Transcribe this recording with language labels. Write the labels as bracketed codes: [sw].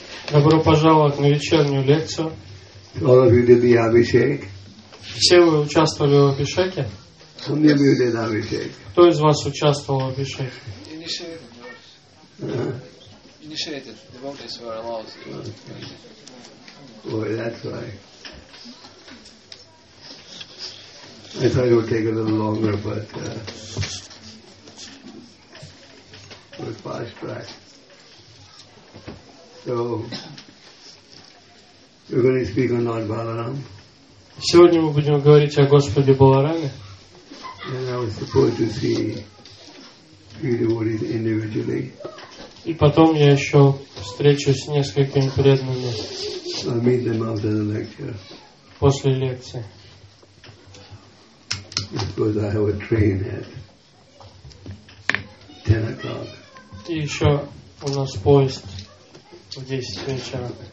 [ru] Добро пожаловать на вечернюю лекцию. [en] All of you did the Abhishek. [ru] Все вы участвовали в Абхишеке? [en] Some of you did Abhishek. [ru] Кто из вас участвовал в Абхишеке? [en] Initiated. Initiated. The devotees were allowed. Okay. Boy, that's why. I thought it would take a little longer, but we're fast track. So, we're going to speak on Lord Balaram. [ru] Сегодня мы будем говорить о Господе Балараме. [en] And I was supposed to see few devotees individually. [ru] И потом я еще встречусь с несколькими преданными. [en] I meet them after the lecture. [ru] После лекции. [en] Because I have a train at 10 o'clock. [ru] И еще у нас поезд в 10 вечера.